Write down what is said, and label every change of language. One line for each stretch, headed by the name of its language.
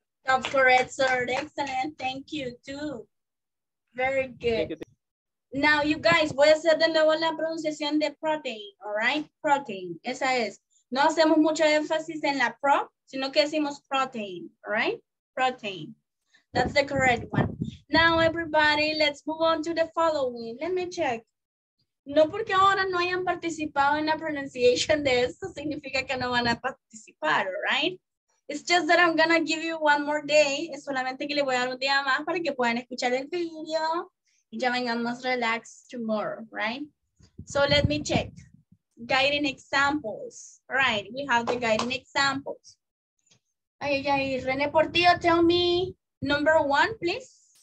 English: That's correct, sir. Excellent. Thank you, too. Very good. Now, you guys,
Spanish: voy a hacer de nuevo la pronunciación de protein, all right? Protein, esa es. No hacemos mucho énfasis en la pro, sino que decimos protein, all right?
English: Protein. That's the correct one. Now, everybody, let's move on to the following. Let me check.
Spanish: No porque ahora no hayan participado en la pronunciation de esto, significa que no van a participar, right?
English: It's just that I'm gonna give you one more day.
Spanish: Es solamente que le voy a dar un día más para que puedan escuchar el video y ya vengan más
English: relaxed tomorrow,
Spanish: right?
English: So let me check. Guiding examples, right? We have the guiding examples. Ay, ay, ay. René Portillo, tell me number one, please.